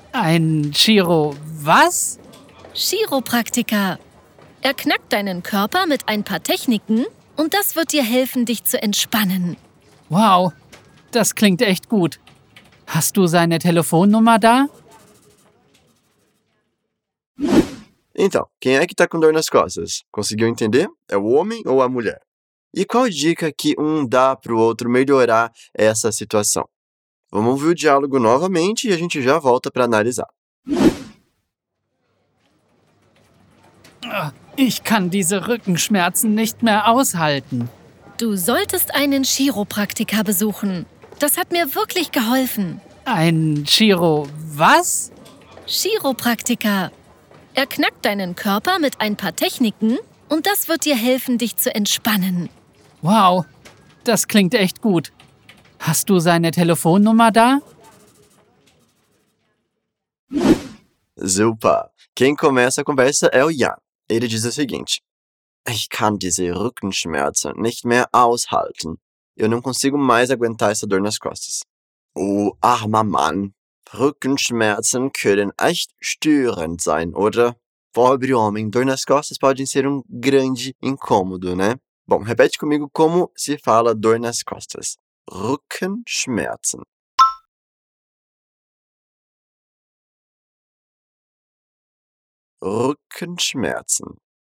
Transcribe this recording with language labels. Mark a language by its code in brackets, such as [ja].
[de] Ein Chiro was? Chiropraktiker. Er knackt deinen Körper mit ein paar Techniken und das wird dir helfen, dich zu entspannen. Wow, das klingt echt gut. Hast du seine Telefonnummer da? [pt] Então, quem é que tá com dor nas costas? Conseguiu entender? É o homem ou a mulher? E qual dica que um dá pro outro melhorar essa situação? Vamos ouvir o diálogo novamente e a gente já volta para analisar. [de] Ich kann diese Rückenschmerzen nicht mehr aushalten. Du solltest einen Chiropraktiker besuchen. Das hat mir wirklich geholfen. Ein Chiro was? Chiropraktiker. Er knackt deinen Körper mit ein paar Techniken und das wird dir helfen, dich zu entspannen. Wow, das klingt echt gut. Hast du seine Telefonnummer da? Super. [pt] Quem começa a conversa é o Jan. Ele diz o seguinte. Ich kann diese Rückenschmerzen nicht mehr aushalten. Eu não consigo mais aguentar essa dor nas costas. [de] Oh, armer Mann. Rückenschmerzen können echt störend sein, oder? [pt] Pobre homem, dor nas costas podem ser um grande incômodo, né? Bom, repete comigo como se fala dor nas costas. Rückenschmerzen. [de] Rückenschmerzen.